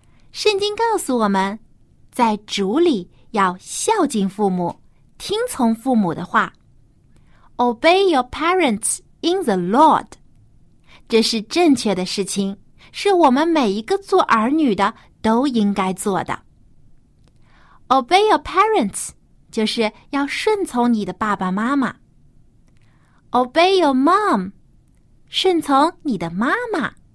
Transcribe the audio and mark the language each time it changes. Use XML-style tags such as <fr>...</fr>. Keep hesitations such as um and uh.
<zh>圣经告诉我们，在主里要孝敬父母，听从父母的话。</zh> <en>Obey your parents in the Lord.</en> <zh>这是正确的事情，是我们每一个做儿女的都应该做的。</zh> <en>Obey your parents，</en> <zh>就是要顺从你的爸爸妈妈。</zh> <en>Obey your mom，</en> <zh>顺从你的妈妈。</zh>